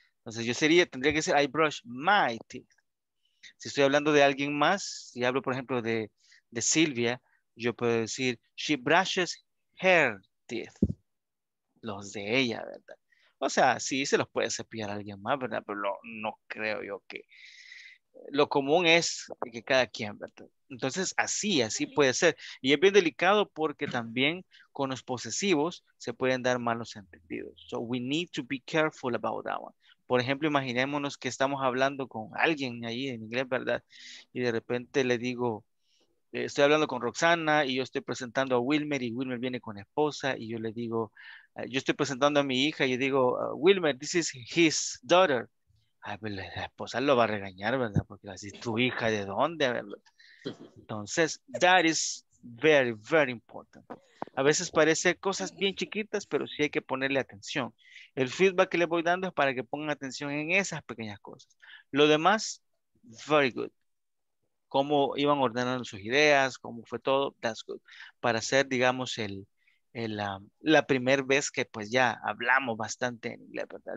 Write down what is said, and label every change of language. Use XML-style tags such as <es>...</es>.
<es>Entonces yo tendría que decir,</es> <en>I brush my teeth.</en> <es>Si estoy hablando de alguien más, si hablo, por ejemplo, de Silvia, yo puedo decir,</es> <en>she brushes her teeth,</en> <es>los de ella, ¿verdad? O sea, sí, se los puede cepillar a alguien más, ¿verdad? Pero no creo yo que... Lo común es que cada quien, ¿verdad? Entonces, así puede ser. Y es bien delicado porque también con los posesivos se pueden dar malos entendidos.</es> <en>So, we need to be careful about that one.</en> <es>Por ejemplo, imaginémonos que estamos hablando con alguien ahí en inglés, ¿verdad? Y de repente le digo... Estoy hablando con Roxana y yo estoy presentando a Wilmer y Wilmer viene con esposa y yo le digo, yo estoy presentando a mi hija y yo digo, Wilmer,</es> <en>this is his daughter.</en> <es>Ay, pero la esposa lo va a regañar, ¿verdad? Porque va a decir, ¿tu hija de dónde? A ver, entonces,</es> <en>that is very, very important.</en> <es>A veces parece cosas bien chiquitas, pero sí hay que ponerle atención. El feedback que le voy dando es para que pongan atención en esas pequeñas cosas. Lo demás,</es> <en>very good.</en> <es>Cómo iban ordenando sus ideas, cómo fue todo,</es> <en>that's good.</en> <es>Para hacer, digamos, la primera vez que pues ya hablamos bastante en inglés, ¿verdad?</es>